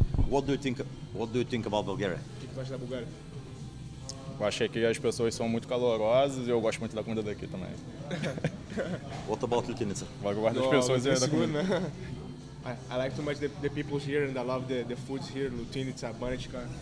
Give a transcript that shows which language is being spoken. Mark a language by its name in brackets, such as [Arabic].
[English] What do you think about Bulgaria? [Portuguese] Eu achei que as pessoas são muito calorosas e eu gosto muito da comida daqui também. [English] What about Litinica? [Portuguese] Eu gosto das pessoas e da comida. [English] I like too much the people here and I love the foods here, Litinica, Banička.